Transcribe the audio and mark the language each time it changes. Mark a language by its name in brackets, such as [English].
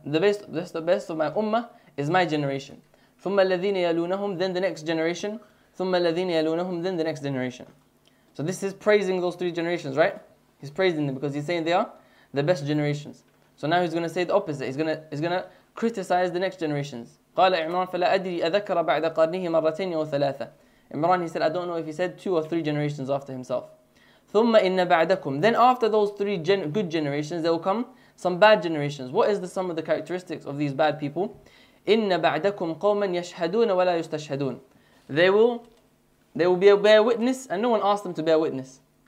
[English] The best of my ummah is my generation. [Arabic] ثم الذين يلونهم, [English] then the next generation. [Arabic] ثم الذين يلونهم, [English] then the next generation. So this is praising those three generations, right? He's praising them because he's saying they are the best generations. So now he's going to say the opposite. He's going to criticize the next generations. [Arabic] قال عمران فلا أدري أذكر بعد قرنه مرتين أو ثلاثة. [English] Imran, he said, I don't know if he said two or three generations after himself. [Arabic] ثم إن بعدكم, [English] then after those three good generations, there will come some bad generations. What is the sum of the characteristics of these bad people? [Arabic] إِنَّ بَعْدَكُمْ قَوْمًا يَشْهَدُونَ وَلَا يُسْتَشْهَدُونَ. [English] They will be a bear witness, and no one asked them to bear witness.